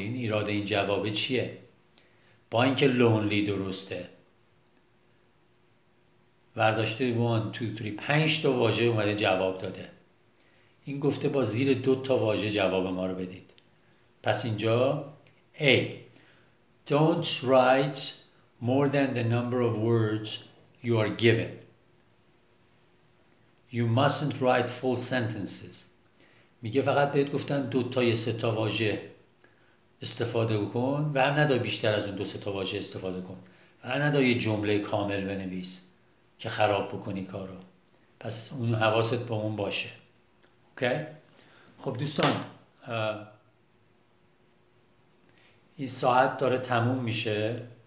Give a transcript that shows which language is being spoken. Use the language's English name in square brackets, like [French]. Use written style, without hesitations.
[Persian] این ایراد این جواب چیه؟ با اینکه lonely درسته. ورداشته 1, 2, 3, 5 تا واژه اومده جواب داده. این گفته با زیر 2 تا واژه جواب ما رو بدید. پس اینجا A. [English] Don't write more than the number of words you are given. You mustn't write full sentences. [Persian] میگه فقط بهت گفتن دو تا یه سه تا واژه استفاده کن، ور ندا بیشتر از اون دو سه تا واژه استفاده کن، ور ندا یه جمله کامل بنویس که خراب بکنی کارو. پس اون حواست با اون باشه. اوکی؟ خب دوستان این ساعت داره تموم میشه.